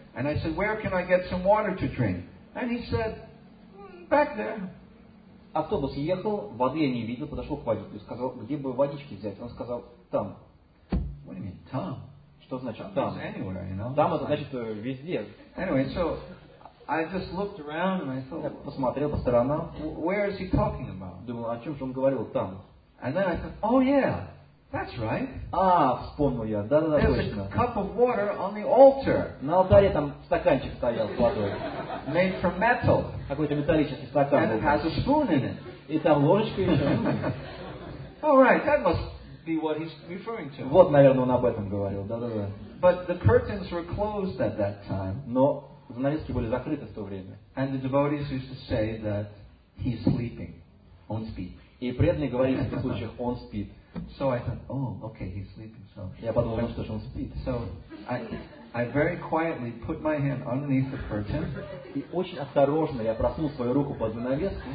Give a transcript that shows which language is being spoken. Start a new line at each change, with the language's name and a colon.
English: And I said, where can I get some water to drink? And he said, back there.
Russian: Автобус ехал, воды я не видел, подошел к водителю, сказал, где бы водички взять? Он сказал, там.
English: What do you mean, там?
Russian: Что значит там?
English: It's anywhere, you know.
Russian: Там это значит везде.
English: Anyway, so I just looked around and I thought,
Russian: я посмотрел по сторонам.
English: Where is he talking about?
Russian: Думал, о чем же он говорил там?
English: And then I thought, oh yeah, that's right.
Russian: Ah, вспомнил я. Да,
English: there's
Russian: точно.
English: A cup of water on the altar.
Russian: На алтаре там стаканчик стоял с водой.
English: Made from metal.
Russian: Какой-то металлический стакан.
English: And it has a spoon in it.
Russian: И там ложечка еще.
English: All right, that must be what he's referring to.
Russian: Вот, наверное, он об этом говорил. Да, да, да.
English: But the curtains were closed at that time.
Russian: Но занавески были закрыты в то время.
English: And the devotees used to say that he's sleeping.
Russian: Он спит. И преданные говорили в таких случаях, он спит.
English: So I thought, oh, okay, he's sleeping. So
Russian: я подумал, что он спит.
English: So I very quietly put my hand underneath the curtain.
Russian: И очень осторожно я просунул свою руку под занавеску.